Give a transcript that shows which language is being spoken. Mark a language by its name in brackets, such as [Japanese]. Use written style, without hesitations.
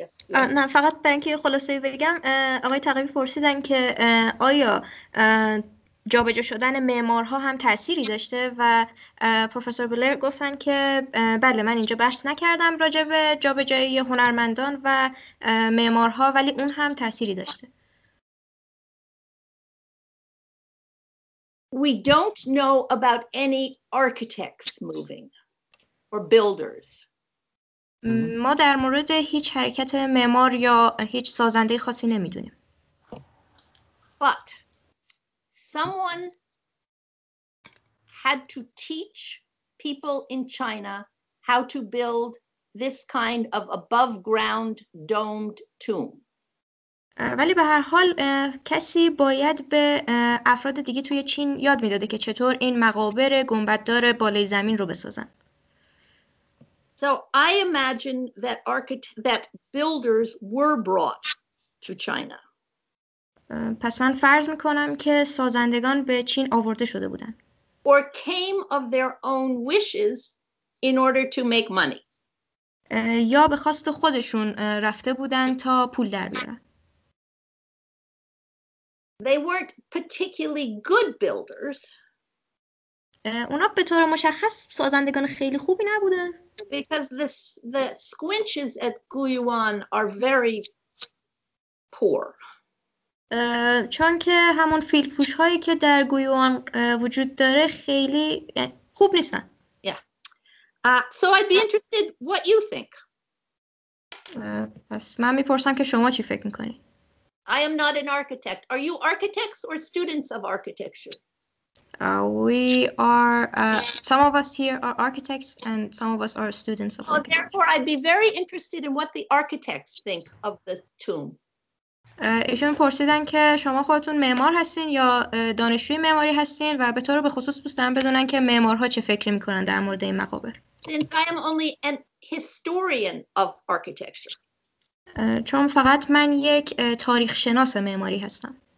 [Persian] نه فقط به اینکه خلاصه بگم آقای تقوی پرسیدن که آیا جابجا شدن معمارها هم تأثیری داشته و پروفسور بلر گفتن که بله من اینجا بحث نکردم راجع به جابجایی هنرمندان و معمارها ولی اون هم تأثیری داشته. [English] We don't know about any architects moving or builders. [Persian] ما در مورد هیچ حرکت معمار یا هیچ سازنده خاصی نمیدونیم. [English] But someone had to teach people in China how to build this kind of above ground domed tomb. [Persian] ولی به هر حال کسی باید به افراد دیگه توی چین یاد میداده که چطور این مقابر گنبددار بالای زمین رو بسازن. [English] So I imagine that that builders were brought to China. [Persian] پس من فرض میکنم که سازندگان به چین آورده شده بودن. [English] Or came of their own wishes in order to make money. [Persian] یا به خواست خودشون رفته بودن تا پول در بیارن. [English] They weren't particularly good builders. [Persian] اونا به طور مشخص سازندگان خیلی خوبی نبودن. [English] Because the squinches at Guyuan are very poor. [Persian] چون که همون فیلپوش هایی که در گویوان وجود داره خیلی خوب نیستن. [English] Yeah. So I'd be interested what you think. [Persian] پس من میپرسم که شما چی فکر میکنی؟ [English] I am not an architect. Are you architects or students of architecture? We are, some of us here are architects and some of us are students of architecture. Therefore, I'd be very interested in what the architects think of the tomb. [Persian] ایشون پرسیدن که شما خودتون معمار هستین یا دانشجوی معماری هستین و به طور بخصوص دوستان بدونن که معمارها چه فکری میکنن در مورد این مقابر. [English] Since I am only an historian of architecture. [Persian] چون فقط من یک تاریخ شناس معماری هستم.